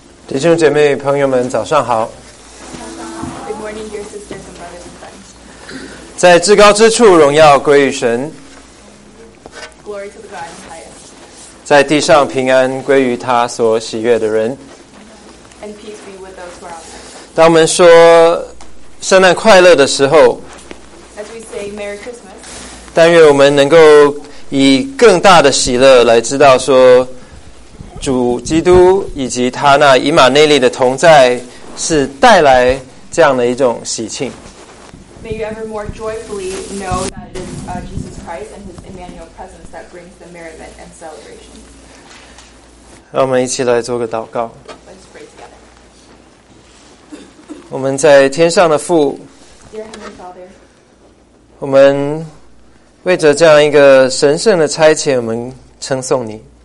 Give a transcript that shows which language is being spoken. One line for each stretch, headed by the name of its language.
Chinese: 弟兄姐妹朋友们早上好。
English: Good morning, dear sisters and brothers and friends.
Chinese: 在至高之处荣耀归于神。
English: Glory to the God in highest.
Chinese: 在地上平安归于他所喜悦的人。
English: And peace be with those who are outside.
Chinese: 当我们说圣诞快乐的时候，
English: As we say Merry Christmas.
Chinese: 但愿我们能够以更大的喜乐来知道说主基督以及他那以马内利的同在是带来这样的一种喜庆。
English: May you ever more joyfully know that it is Jesus Christ and his Emmanuel presence that brings the merriment and celebration.
Chinese: 让我们一起来做个祷告。
English: Let's pray together.
Chinese: 我们在天上的父，
English: Dear Heavenly Father,
Chinese: 我们为着这样一个神圣的差遣，我们称颂你。